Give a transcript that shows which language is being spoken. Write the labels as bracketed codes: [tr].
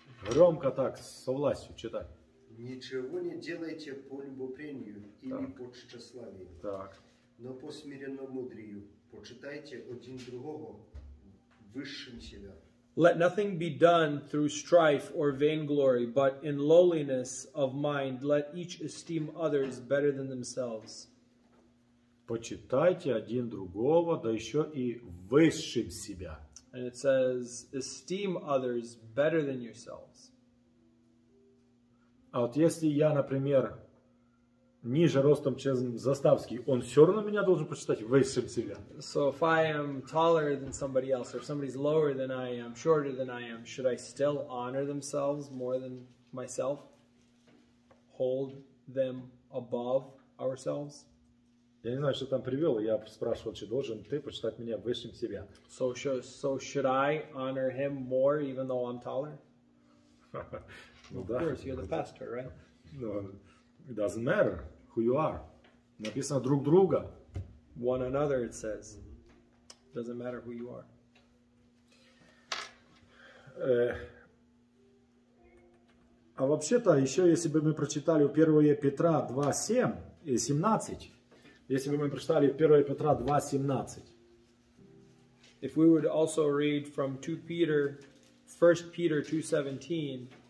[ru] Громко так, со властью, читай. Ничего не делайте по любопрению или по тщеславию. Так. Но по смиренномудрию почитайте один другого высшим себя. [en] Let nothing be done through strife or vainglory, but in lowliness of mind let each esteem others better than themselves. [ru] Почитайте один другого, да еще и высшим себя. [en] And it says, esteem others better than yourselves. [ru] А вот если я, например, ниже ростом, чем Заставский, он все равно меня должен почитать высшим себя. [en] So if I am taller than somebody else, or if somebody's lower than I am, shorter than I am, should I still honor themselves more than myself? Hold them above ourselves? [ru] Я не знаю, что там привел, я спрашивал, что должен ты почитать меня высшим себя. [en] So should I honor him more, even though I'm taller? [ru] Ну, да. [en] Of course, you're the pastor, right? No, it doesn't matter who you are. [ru] Написано друг друга. [en] One another, it says. It doesn't matter who you are. [ru] А вообще-то, еще если бы мы прочитали у 1 Петра 2, 7 и 17... Если бы мы прочитали 1 Петра 2, 17. [en] If we would also read from 2 Peter, 1 Peter 2, 17.